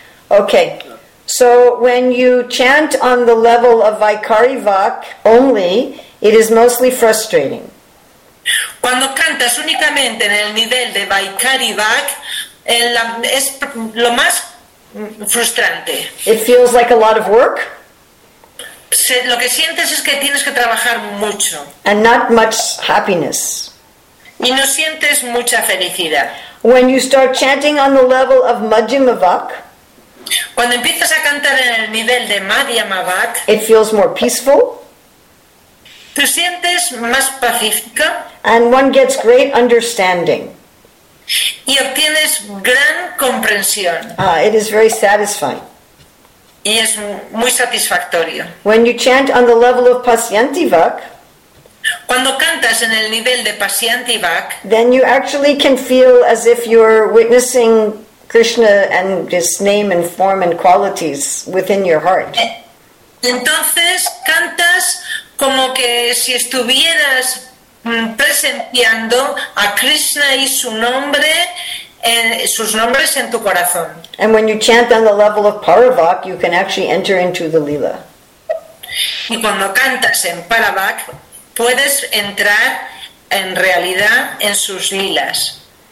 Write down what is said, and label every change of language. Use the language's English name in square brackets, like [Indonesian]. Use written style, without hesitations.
[English] Okay, so when you chant on the level of Vaikari Vak only, it is mostly frustrating. [Spanish] Cuando cantas únicamente en el nivel de Vaikari Vak, es lo más frustrante. [English] It feels like a lot of work. [Spanish] Lo que sientes es que tienes que trabajar mucho. [English] And not much happiness. [Spanish] Y no sientes mucha felicidad. [English] When you start chanting on the level of Madhyama Vak, [Spanish] cuando empiezas a cantar en el nivel de Madhyama Vak, [English] it feels more peaceful. [Spanish] Te sientes más pacífica. [English] And one gets great understanding. [Spanish] Y obtienes gran comprensión. [English] It is very satisfying. [Spanish] Y es muy satisfactorio. [English] When you chant on the level of Pasyanti Vak, [Spanish] cuando cantas en el nivel de Pasyanti Vak, [English] then you actually can feel as if you're witnessing Krishna and his name and form and qualities within your heart. [Spanish] Entonces cantas como que si estuvieras presenciando a Krishna y su nombre, sus nombres en tu corazón. [English] And when you chant on the level of Paravak, you can actually enter into the lila. [Spanish] Y cuando cantas en Paravak, puedes entrar en realidad en sus lilas.